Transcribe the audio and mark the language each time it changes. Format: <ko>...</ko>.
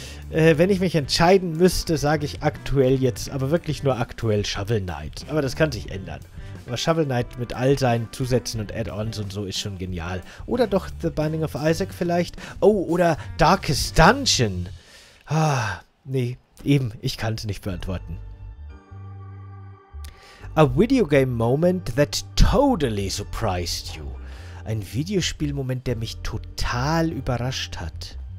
<de>Wenn ich mich entscheiden müsste, sage ich aktuell jetzt, aber wirklich nur aktuell, Shovel Knight. Aber das kann sich ändern. Aber Shovel Knight mit all seinen Zusätzen und Add-ons und so ist schon genial. Oder doch The Binding of Isaac vielleicht. Oh, oder Darkest Dungeon. Ah, nee, eben, ich kann es nicht beantworten.</de> <en>A video game moment that totally surprised you.</en> <de>Ein Videospielmoment, der mich total überrascht hat.</de>